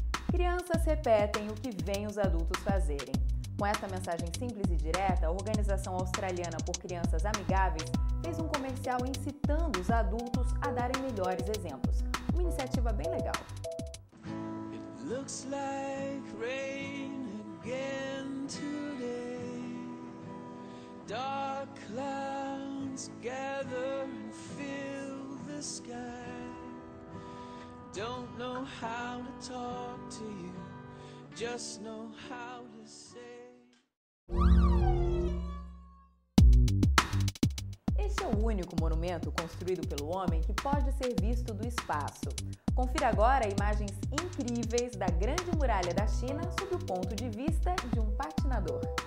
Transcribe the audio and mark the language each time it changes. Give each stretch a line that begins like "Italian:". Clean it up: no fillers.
Portuguese: Crianças repetem o que vêem os adultos fazerem. Com essa mensagem simples e direta, a Organização Australiana por Crianças Amigáveis fez um comercial incitando os adultos a darem melhores exemplos. Uma iniciativa bem legal.
English: It looks like rain again today. Dark clouds gather and fill the sky. Don't know how to talk to you, just know how to say.
Portuguese: Este é o único monumento construído pelo homem que pode ser visto do espaço. Confira agora imagens incríveis da Grande Muralha da China sob o ponto de vista de um patinador.